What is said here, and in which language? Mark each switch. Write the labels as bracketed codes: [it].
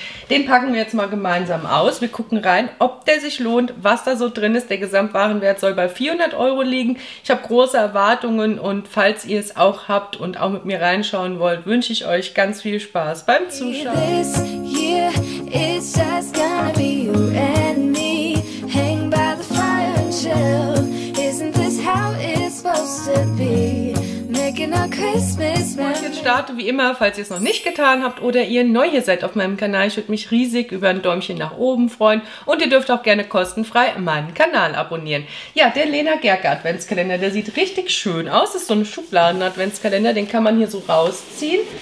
[de] Den packen wir jetzt mal gemeinsam aus. Wir gucken rein, ob der sich lohnt, was da so drin ist. Der Gesamtwarenwert soll bei 400 Euro liegen. Ich habe große Erwartungen und falls ihr es auch habt und auch mit mir reinschauen wollt, wünsche ich euch ganz viel Spaß beim Zuschauen. [en] It's just gonna be you and me. Hang by the fire and chill. Isn't this how it's supposed to be? Making a Christmas man. [de] Und jetzt starte wie immer, falls ihr es noch nicht getan habt oder ihr neu hier seid auf meinem Kanal. Ich würde mich riesig über ein Däumchen nach oben freuen. Und ihr dürft auch gerne kostenfrei meinen Kanal abonnieren. Ja, der Lena Gerke Adventskalender, der sieht richtig schön aus. Das ist so ein Schubladen-Adventskalender, den kann man hier so rausziehen.